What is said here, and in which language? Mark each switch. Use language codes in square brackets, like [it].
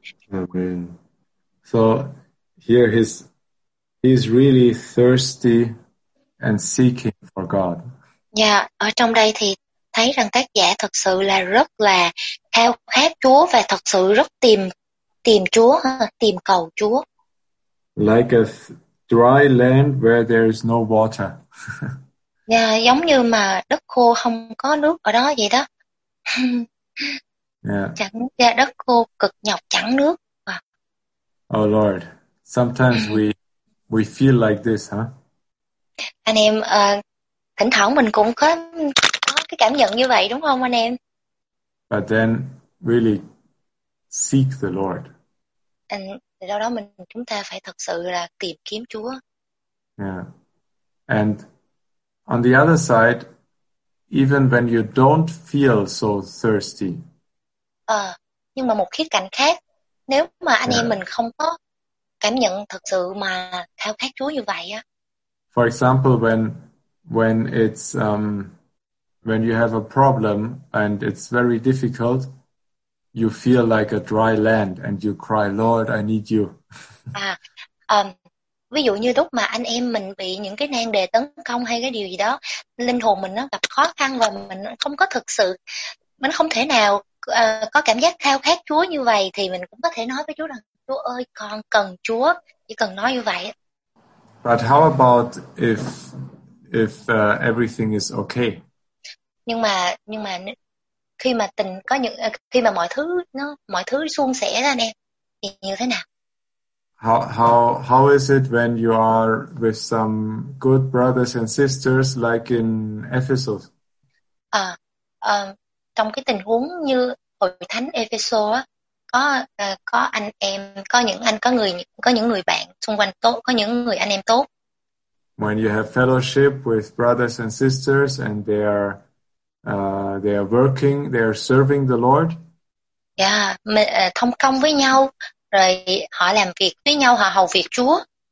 [en] Amen. So here he's really thirsty and seeking for God. [vi] Yeah, ở trong đây thì thấy rằng tác giả thật sự là rất là khao khát Chúa và thật sự rất tìm Chúa, tìm cầu Chúa. [en] Like a dry land where there is no water. [vi] Yeah, giống như mà đất khô không có nước ở đó vậy đó. Yeah. Chẳng ra đất khô cực nhọc chẳng nước. [en] Oh Lord, sometimes we feel like this, huh? [vi] Anh em, thỉnh thoảng mình cũng có cái cảm nhận như vậy đúng không anh em? [en] But then really seek the Lord. [vi] And do đó mình chúng ta phải thật sự là tìm kiếm Chúa. Yeah. [en] And on the other side, even when you don't feel so thirsty. [vi] Nhưng mà một khía cạnh khác, nếu mà anh em mình không có cảm nhận thật sự mà khao khát Chúa như vậy á. [en] For example, when it's when you have a problem and it's very difficult, you feel like a dry land and you cry, Lord, I need you. [vi] Ví dụ như lúc mà anh em mình bị những cái nan đề tấn công hay cái điều gì đó, linh hồn mình nó gặp khó khăn và mình không có thực sự, mình không thể nào có cảm giác khao khát Chúa như vậy, thì mình cũng có thể nói với Chúa rằng, Chúa ơi, con cần Chúa, chỉ cần nói như vậy. [en] But how about if everything is okay? [vi] Nhưng mà khi mà tình có những khi mà mọi thứ suôn sẻ ra nè thì như thế nào? [en] How is it when you are with some good brothers and sisters like in Ephesus? [vi] Trong cái tình huống như hội thánh Ephesus á, có anh em, có những người bạn xung quanh tốt, có những người anh em tốt. [en] When you have fellowship with brothers and sisters and they are working, they are serving the Lord. [vi] Yeah, thông công với nhau, rồi họ làm việc với nhau, họ hầu việc Chúa.